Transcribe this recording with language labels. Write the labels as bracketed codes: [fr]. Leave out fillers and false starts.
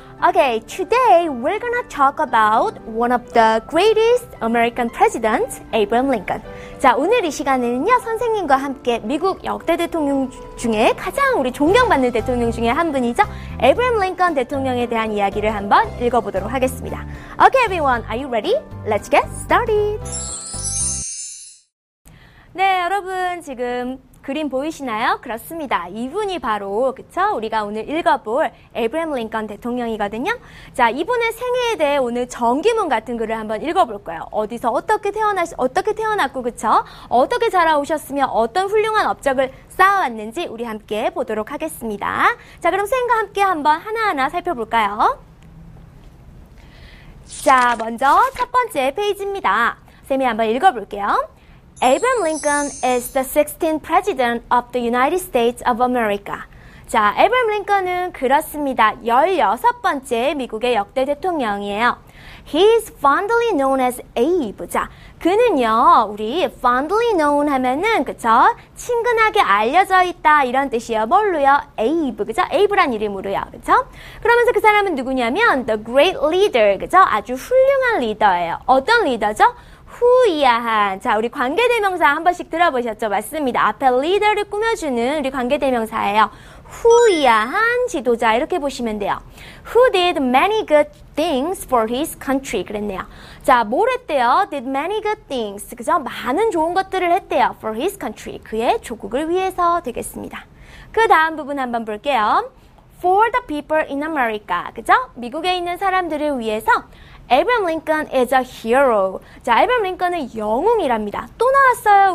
[en] Okay, today we're gonna talk about one of the greatest American presidents, Abraham Lincoln. [ko] 자, 오늘 이 시간에는요, 선생님과 함께 미국 역대 대통령 중에 가장 우리 존경받는 대통령 중에 한 분이죠, Abraham Lincoln 대통령에 대한 이야기를 한번 읽어보도록 하겠습니다. [en] Okay, everyone, are you ready? Let's get started. [ko] 네, 여러분, 지금 그림 보이시나요? 그렇습니다. 이분이 바로, 그쵸? 우리가 오늘 읽어볼 에이브라함 링컨 대통령이거든요. 자, 이분의 생애에 대해 오늘 전기문 같은 글을 한번 읽어볼 거예요. 어디서 어떻게 태어났고, 그쵸? 어떻게 자라오셨으며 어떤 훌륭한 업적을 쌓아왔는지 우리 함께 보도록 하겠습니다. 자, 그럼 선생님과 함께 한번 하나하나 살펴볼까요? 자, 먼저 첫 번째 페이지입니다. 선생님이 한번 읽어볼게요. [en] Abraham Lincoln is the 16th president of the United States of America. [ko] 자, Abraham Lincoln은 그렇습니다. 16번째 미국의 역대 대통령이에요. [en] He is fondly known as Abe. [ko] 자, 그는요, 우리 [en] fondly known 하면은, 그쵸? [ko] 친근하게 알려져 있다, 이런 뜻이에요. 뭘로요? Abe, 그쵸? Abe란 이름으로요, 그쵸? 그러면서 그 사람은 누구냐면, [en] the great leader, [ko] 그쵸? 아주 훌륭한 리더예요. 어떤 리더죠? Who 이하한. 자, 우리 관계대명사 한 번씩 들어보셨죠? 맞습니다. 앞에 leader를 꾸며주는 우리 관계대명사예요. Who 이하한 지도자. 이렇게 보시면 돼요. [en] Who did many good things for his country. [ko] 그랬네요. 자, 뭘 했대요? [en] Did many good things. [ko] 그죠? 많은 좋은 것들을 했대요. [en] For his country. [ko] 그의 조국을 위해서 되겠습니다. 그 다음 부분 한번 볼게요. [en] For the people in America. [ko] 그죠? 미국에 있는 사람들을 위해서 [en] Abraham Lincoln is a hero. [ko] 자, Abraham Lincoln은 영웅이랍니다. 또 나왔어요.